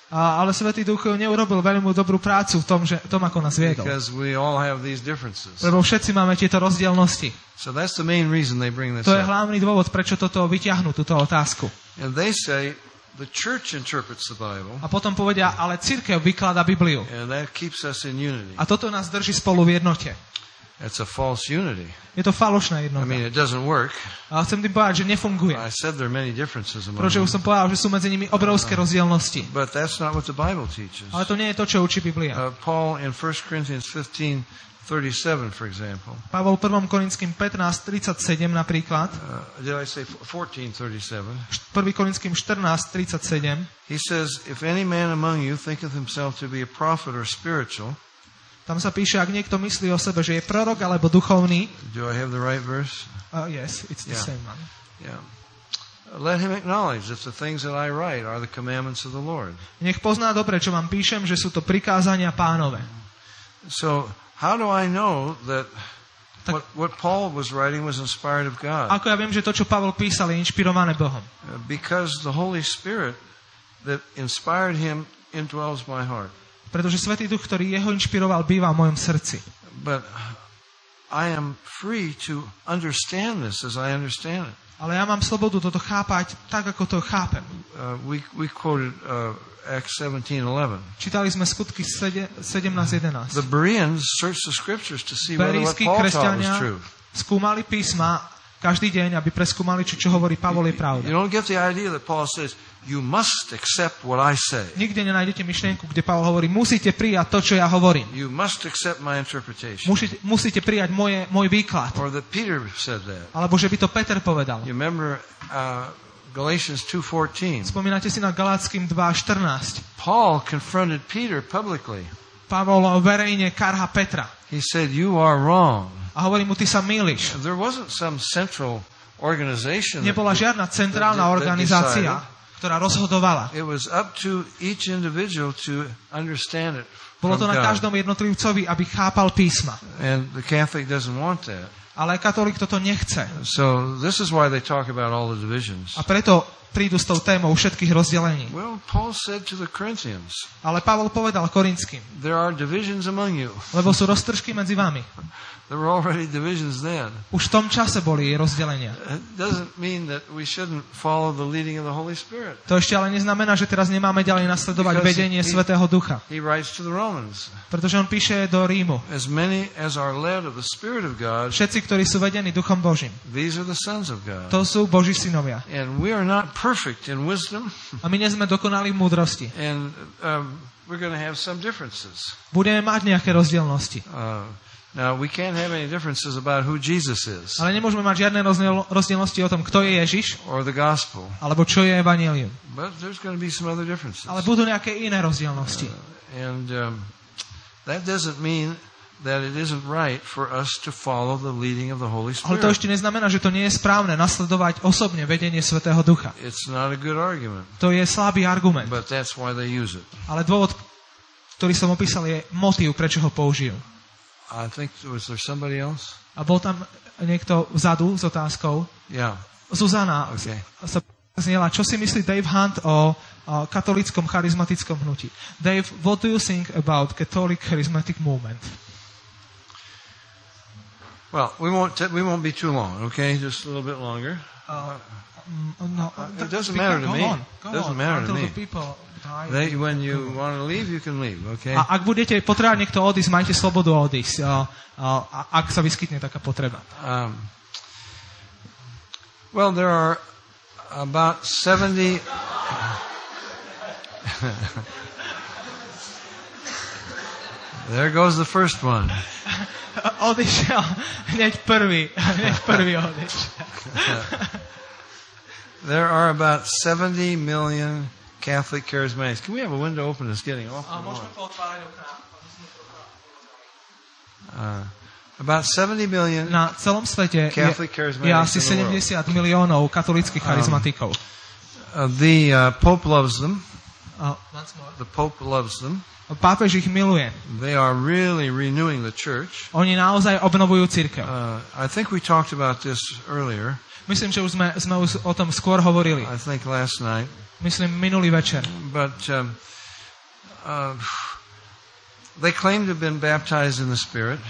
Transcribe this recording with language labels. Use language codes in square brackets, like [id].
[sk] Ale Svätý Duch neurobil veľmi dobrú prácu v tom, že tom, ako nás viedol. [en] Because we all have these differences. [sk] Lebo všetci máme tieto rozdielnosti. [en] So that's the main reason they bring this up. [sk] To je hlavný dôvod, prečo toto vyťahnú, túto otázku. [en] And they say the church interprets the Bible. [sk] A potom povedia, ale cirkev vykladá Bibliu. [en] And that keeps us in unity. [sk] A toto nás drží spolu v jednote. [en] It's a false unity. [sk] Je to falošná jednota. [en] I mean, it doesn't work. [sk] A chcem tým povedať, že nefunguje. [en] I said there are many differences among. [sk] Pretože som povedal, že sú medzi nimi obrovské rozdielnosti. [en] But that's not what the Bible teaches. [sk] Ale to nie je to, čo učí Biblia. [en] Paul in 1 Corinthians 15:37, for example. [sk] Pavol 1. Korinským 15:37 napríklad. [en] Did I say 14:37? [sk] 1. Korinským 14:37. [en] He says, if any man among you thinketh himself to be a prophet or spiritual, [sk] Tam sa píše, ak niekto myslí o sebe, že je prorok alebo duchovný. [en] Do I have the right verse? Yes, it's the same one. Yeah. Let him acknowledge that the things that I write are the commandments of the Lord. [sk] Nech pozná dobre, čo vám píšem, že sú to prikázania Pánove. [en] So, how do I know that what Paul was writing was inspired of God? [sk] Ako ja viem, že to, čo Pavol písal, je inšpirované Bohom? [en] Because the Holy Spirit that inspired him indwells my heart. [sk] Pretože Svätý Duch, ktorý jeho inšpiroval, býva v mojom srdci. [en] But I am free to understand this as I understand it. [sk] Ale ja mám slobodu toto chápať tak, ako to chápem. [en] We quoted Acts 17:11. [sk] Čítali sme Skutky 17:11. [en] The Bereans searched the scriptures to see whether what Paul taught was true. [sk] Skúmali písma každý deň, aby preskúmali, čo hovorí Pavol, je pravda. [en] You don't get the idea that Paul says you must accept what I say. [sk] Nikde nenájdete myšlienku, kde Pavol hovorí, musíte prijať to, čo ja hovorím. [en] You must accept my interpretation. [sk] Musíte prijať môj výklad. [en] Or that Peter said that. [sk] Alebo že by to Peter povedal. [en] You remember Galatians 2:14. [sk] Spomínate si na Galackým 2:14. [en] Paul confronted Peter publicly. [sk] Pavol verejne karha Petra. [en] He said you are wrong. [sk] A hovorí mu, ty sa mýliš. [en] There wasn't some central organization. [sk] Nebola žiadna centrálna organizácia, ktorá rozhodovala. [en] It was up to each individual to understand it. [sk] Bolo to na každom jednotlivcovi, aby chápal písma. [en] And the Catholic doesn't want that. [sk] Ale katolík toto nechce. [en] So this is why they talk about all the divisions. [sk] A preto prídu s tou témou všetkých rozdelení. [en] Well, Paul said to the Corinthians. [sk] Ale Pavol povedal Korinským. [en] There are divisions among you. [sk] Lebo sú roztržky medzi vami. [en] There were already divisions then. [sk] Už v tom čase boli rozdelenia. [en] Doesn't mean that we shouldn't follow the leading of the Holy Spirit. [sk] To ešte ale neznamená, že teraz nemáme ďalej nasledovať vedenie Svätého Ducha. [en] He writes to the Romans. [sk] Pretože on píše do Rímu. [en] As many as are led of the Spirit of God. [sk] Všetci, ktorí sú vedení Duchom Božím. [en] These are the sons of God. [sk] To sú Boží synovia. [en] And we are not perfect in wisdom. [sk] A my nie sme dokonali v múdrosti. [en] And we're going to have some differences. [sk] Budeme mať nejaké rozdielnosti. [en] Now we can't have any differences about who Jesus is. [sk] Ale nemôžeme mať žiadne rozdielnosti o tom, kto je Ježiš. [en] Or the gospel. [sk] Alebo čo je evanjelium. [en] But there's going to be some other differences. [sk] Ale budú nejaké iné rozdielnosti. [en] That doesn't mean that it isn't right for us to follow the leading of the Holy Spirit. [sk] Ale to ešte neznamená, že to nie je správne nasledovať osobne vedenie Svätého Ducha. [en] It's not a good argument. [sk] To je slabý argument. [en] But that's why they use it. [sk] Ale dôvod, ktorý som opísal, je motív, prečo ho použijú. [en] I think was there somebody else? [sk] A bol tam niekto vzadu s otázkou? [en] Yeah. [sk] Zuzana. Okay. Sa znela, čo si myslí Dave Hunt o katolíckom charizmatickom hnutí? [en] Dave, what do you think about Catholic charismatic movement? Well, we won't be too long, okay? Just a little bit longer. No, it doesn't matter to me. Doesn't matter to me. They, when you want to leave, you can leave, okay? [sk] A ak budete potrebovať niekto odísť, majte slobodu odísť, ak sa vyskytne taká potreba. [en] Well, there are about 70... There goes the first one. [sk] Odišiel. Hneď prvý odišiel. [en] There are about 70 million Catholic charismatics. Can we have a window open? It's getting awful. [sk] Môžeme potvárať okná. [en] About 70 million. [sk] Na celom svete [en] Catholic charismatics. [sk] asi 70 miliónov katolíckych charizmatikov. [en] Pope loves them. The Pope loves them. [sk] Pápež ich miluje. [en] They are really renewing the church. [sk] Oni naozaj obnovujú cirkev. [en] I think we talked about this earlier. [sk] Myslím, že už sme už o tom skôr hovorili. [en] I think last night. [sk] Myslím minulý večer. [en] But they claim to have been baptized in the Spirit.